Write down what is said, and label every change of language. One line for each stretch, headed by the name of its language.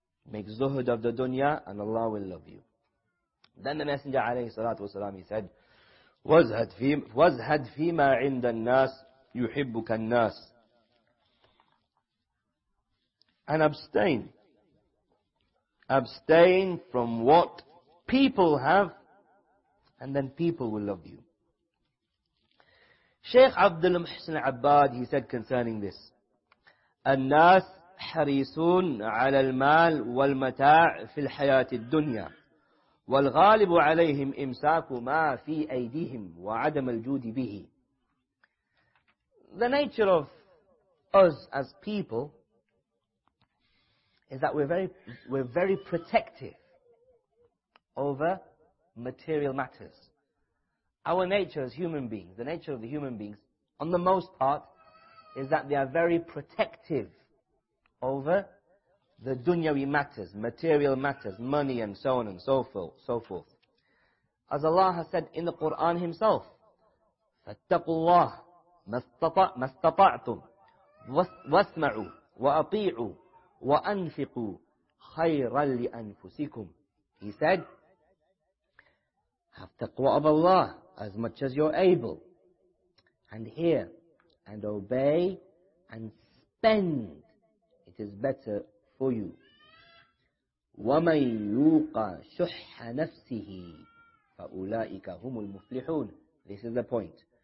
English: Make zuhud of the dunya and Allah will love you. Then the Messenger alayhi salatu wasalam, he said,
Arabic: Wazhad fi ma inda nas, yuhibbuka nas.
English: And abstain. Abstain from what people have, and then people will love you. Shaykh Abdul Muhsin Abbad, he said concerning this,
Arabic: الناس حريصون على المال والمتاع في الحياة الدنيا والغالب عليهم إمساك ما في أيديهم وعدم الجود به.
English: The nature of us as people, is that we're very protective over material matters. Our nature as human beings, the nature of the human beings, on the most part, is that they are very protective over the dunyawi matters, material matters, money and so on and so forth. As Allah has said in the Quran Himself,
Arabic: فَاتَّقُوا اللَّهَ مَا اسْتَطَعْتُمْ وَاسْمَعُوا وَأَطِيعُوا وَأَنْفِقُوا خَيْرًا لِأَنفُسِكُمْ.
English: He said, have taqwa of Allah as much as you're able, and hear and obey and spend, it is better for you.
Arabic: وَمَنْ يُوقَ شُحَّ نَفْسِهِ فَأُولَٰئِكَ هُمُ الْمُفْلِحُونَ.
English: This is the point.